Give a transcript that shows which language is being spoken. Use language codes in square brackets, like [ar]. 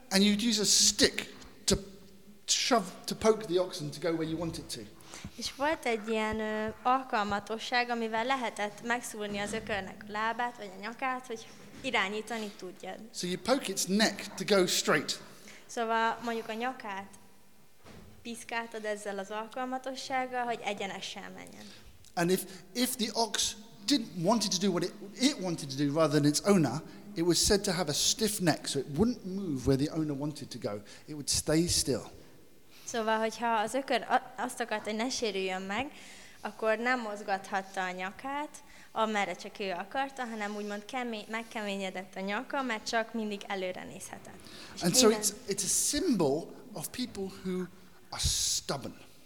[en] And you'd use a stick to shove, to poke the oxen to go where you want it to. [hu] És volt egy ilyen alkalmatosság, amivel lehetett megszúrni az ökörnek a lábát, vagy a nyakát, hogy irányítani tudjad. [en] So you poke its neck to go straight. [hu] Szóval mondjuk a nyakát piszkáltad ezzel az alkalmatossággal, hogy egyenesen menjen. [en] And if the ox didn't wanted to do what it wanted to do rather than its owner, it was said to have a stiff neck, so it wouldn't move where the owner wanted to go. It would stay still. [hu] Szóval, hogyha az ökör azt akart, hogy ne sérüljön meg, akkor nem mozgathatta a nyakát, amerre csak ő akarta, hanem úgymond megkeményedett a nyaka, mert csak mindig előre nézhetett. [en] And so it's a symbol of people who are stubborn.